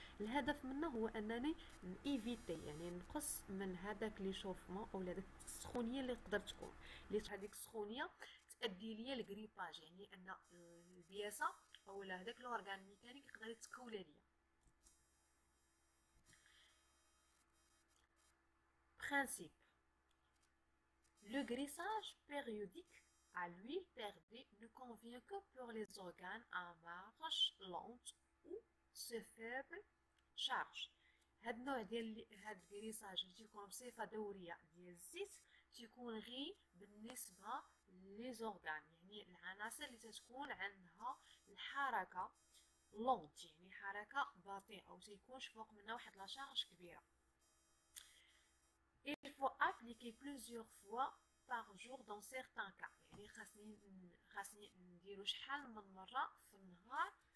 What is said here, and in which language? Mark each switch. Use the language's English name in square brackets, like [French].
[Arabic] الهدف منه هو انني ايفيتي، يعني نقص من هذاك لي شوفمون او هذاك السخونية اللي تقدر تكون، اللي هذيك السخونية تأدي ليا الجريباج، يعني ان البياسة او هذاك الاورغان الميكانيك يقدر يتكون ليا. [French] برانسيب لو غريساج بيريوديك à l'huile perdue ne convient que pour les organes à marche lente ou sous faible charge. [Arabic] هاد النوع ديال هاد الكريساج اللي تيكون بصفة دورية ديال الزيت تيكون غي بالنسبة لي زورغان، يعني العناصر اللي تتكون عندها الحركة لونت، يعني حركة بطيئة، و تيكونش فوق منها واحد لا شارج كبيرة. [French] Il faut appliquer plusieurs fois par jour dans certains cas. [Arabic] يعني خاصني نديرو شحال من مرة في النهار